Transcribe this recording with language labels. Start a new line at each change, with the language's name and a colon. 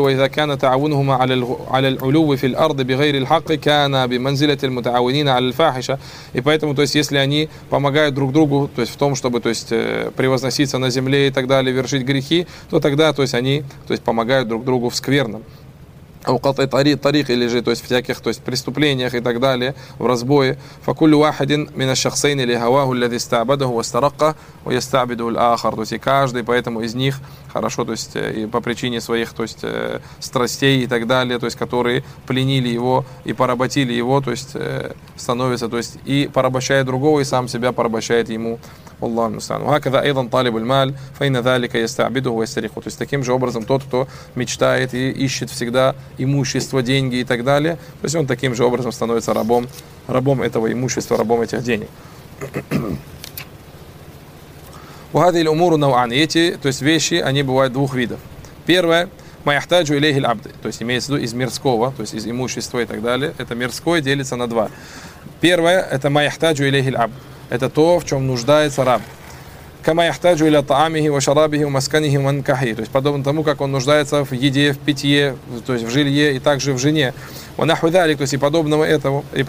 Arabic: وإذا كان تعاونهما على العلو في الأرض بغير الحق كان بمنزلة المتعاونين على الفاحشة.
Russian: И поэтому, то есть, если они помогают друг другу, то есть в том, чтобы, то есть, превозноситься на земле и так далее, вершить грехи, то тогда, то есть, они, то есть, помогают друг другу в скверном. То есть в преступлениях и так далее, в разбое.
Arabic: فكل واحد من الشخصين لهواه الذي استعبده واسترقه ويستعبده الآخر.
Russian: То есть каждый поэтому из них хорошо, то есть и по причине своих, то есть страстей и так далее, то есть которые пленили его и поработили его, то есть становится, то есть и порабощает другого и сам себя порабощает ему. Аллаху мустаан.
Arabic: وهكذا أيضا طالب المال فإن ذلك يستعبده ويسترقه.
Russian: То есть таким же образом тот, кто мечтает и ищет всегда имущество, деньги и так далее, то есть он таким же образом становится рабом, рабом этого имущества, рабом этих денег.
Arabic: وهذه الأمور نوعان.
Russian: Эти, то есть вещи, они бывают двух видов. Первое,
Arabic: ما يحتاج إليه العبد.
Russian: То есть имеется в виду из мирского, то есть из имущества и так далее. Это мирское делится на два. Первое, это
Arabic: ما يحتاج إليه العبد.
Russian: Это то, в чем нуждается раб.
Arabic: Кама яхтаджу иля таамихи ва шарабихи ва масканихи ва нкахи.
Russian: То есть подобно тому, как он нуждается в еде, в питье, то есть в жилье и также в жене.
Arabic: Ва нахву далик,
Russian: то есть и подобному этому.